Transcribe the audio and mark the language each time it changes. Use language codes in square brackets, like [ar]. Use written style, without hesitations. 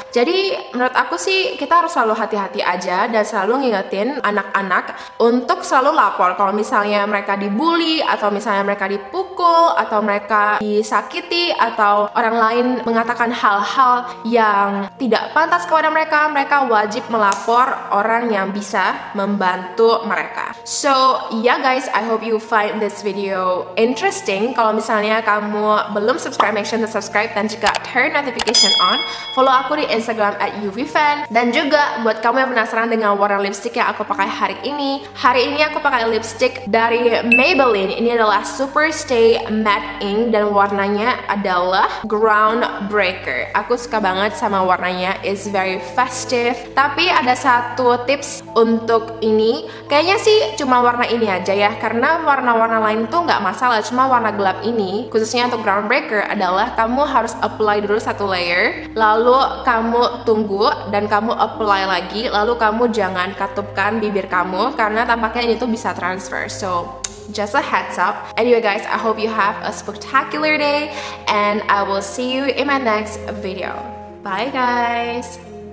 [id] Jadi menurut aku sih kita harus selalu hati-hati aja dan selalu ngingetin anak-anak untuk selalu lapor kalau misalnya mereka dibully atau misalnya mereka dipukul atau mereka disakiti atau orang lain mengatakan hal-hal yang tidak pantas kepada mereka. Mereka wajib melapor orang yang bisa membantu mereka. [en] So yeah guys, I hope you find this video interesting. [id] Kalau misalnya kamu belum subscribe, [en] make sure to subscribe [id] dan juga [en] turn notification on. [id] Follow aku di Instagram @uvfan. Dan juga buat kamu yang penasaran dengan warna lipstick yang aku pakai hari ini aku pakai lipstick dari Maybelline. Ini adalah Super Stay Matte Ink dan warnanya adalah Groundbreaker. Aku suka banget sama warnanya, [en] it's very festive. [id] Tapi ada satu tips untuk ini, kayaknya sih cuma warna ini aja ya, karena warna-warna lain tuh gak masalah, cuma warna gelap ini, khususnya untuk Groundbreaker adalah kamu harus apply dulu satu layer, lalu kamu tunggu dan kamu apply lagi, lalu kamu jangan katupkan bibir kamu karena tampaknya ini tuh bisa transfer. [en] So just a heads up. Anyway guys, I hope you have a spectacular day and I will see you in my next video. Bye guys.